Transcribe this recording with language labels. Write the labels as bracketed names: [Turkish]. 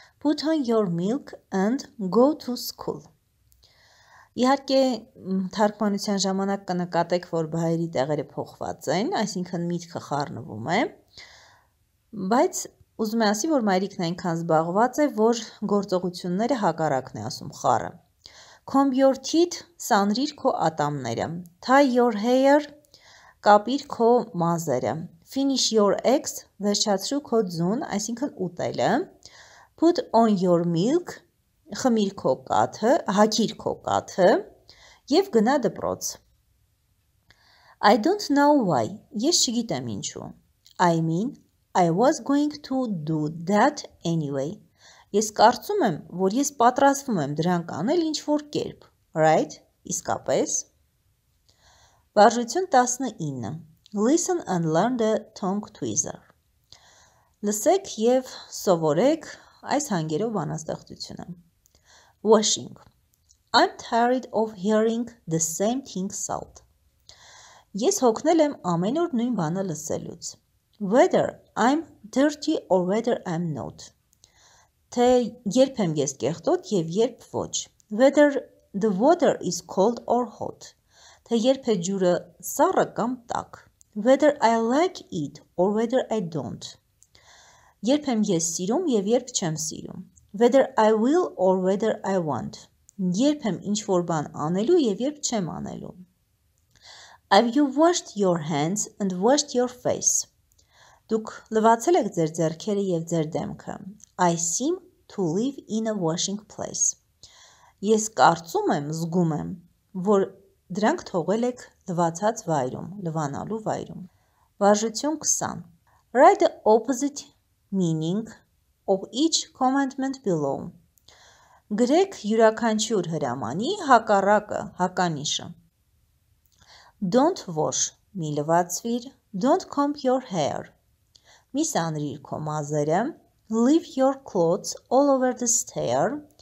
[English] Put on your milk and go to school. [Armenian] Իհարկե, թարգմանության ժամանակ կնկատեք, որ բայերի տեղերը փոխված են, այսինքն միտքը խառնվում է, բայց ուզում է ասի, որ մայրիկն այնքան զբաղված է, որ գործողությունները հակառակն է ասում խառը. [English] Comb your teeth, [Armenian] սանրիր քո ատամները. [English] Tie your hair, [Armenian] կապիր քո մազերը. [English] Finish your eggs, [Armenian] վերջացրու քո ձուն, այսինքն ուտելը. [English] Put on your milk, [Armenian] խմիր քո կաթը, հագիր քո կաթը եւ գնա դպրոց. [English] I don't know why. [Armenian] Ես չգիտեմ ինչու. [English] I mean, I was going to do that anyway. [Armenian] Ես կարծում եմ, որ ես պատրաստվում եմ դրանք անել ինչ որ կերպ. [English] Right? [Armenian] Իսկապես? Վարժություն 19. [English] Listen and learn the tongue twister. [Armenian] Լսեք եւ սովորեք այս հանգերով բանաստեղծությունը. [English] Washing. I'm tired of hearing the same thing said. [Armenian] Ես հոգնել եմ ամեն օր նույն բանը լսելուց. [English] Whether I'm dirty or whether I'm not. [Armenian] Թե երբ եմ ես կեղտոտ եւ երբ ոչ. [English] Whether the water is cold or hot. [Armenian] Թե երբ է ջուրը սառը կամ տաք. [English] Whether I like it or whether I don't. [Armenian] Երբ եմ ես սիրում եւ երբ չեմ սիրում. [English] Whether I will or whether I want. [Armenian] Երբ եմ ինչ որ բան անելու եւ երբ չեմ անելու. [English] Have you washed your hands and washed your face? [Armenian] Դուք լվացել եք ձեր ձեռքերը եւ ձեր դեմքը. [English] I seem to live in a washing place. [Armenian] Ես կարծում եմ, զգում եմ, որ դրանք թողել եք լվացած վայրում, լվանալու վայրում. Վարժություն 20. [English] Write the opposite meaning of each commandment below. [Armenian] Գրեք յուրաքանչյուր հրամանի հակառակը, հականիշը. [English] Don't wash, [Armenian] մի լվացվիր. [English] Don't comb your hair. [Armenian] Մի սանրիր քո մազերը. [English] Leave your clothes all over the stair.